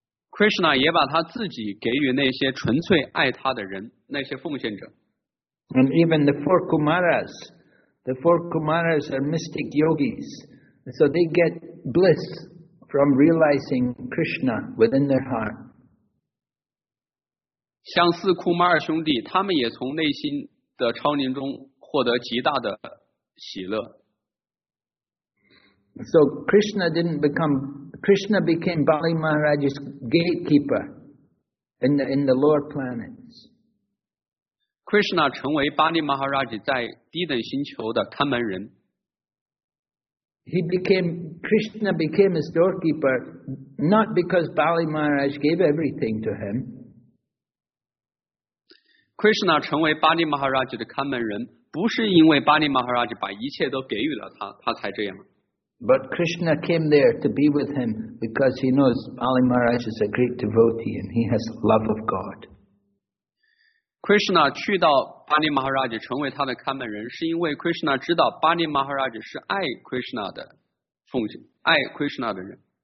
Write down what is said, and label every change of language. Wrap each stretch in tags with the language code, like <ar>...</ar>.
<zh>Krishna 也把他自己给予那些纯粹爱他的人，那些奉献者。</zh> <en>And even the four Kumaras. The four Kumaras are mystic yogis, so they get bliss from realizing Krishna within their heart.</en> <zh>像四库马尔兄弟，他们也从内心的超念中获得极大的喜乐。</zh> <en>So Krishna became Bali Maharaj's gatekeeper in the lower planets.</en> <zh>Krishna 成为巴尼马哈拉吉在低等星球的看门人。</zh> <en>Krishna became a storekeeper not because Bali Maharaj gave everything to him.</en> <zh>Krishna 成为巴尼马哈拉吉的看门人，不是因为巴尼马哈拉吉把一切都给予了他，他才这样。</zh> <en>But Krishna came there to be with him because he knows Bali Maharaj is a great devotee and he has love of God.</en> <zh>Krishna 去到巴尼马哈拉吉成为他的看门人，是因为 Krishna 知道巴尼马哈拉吉是爱 Krishna 的奉献，爱 Krishna 的人。</zh>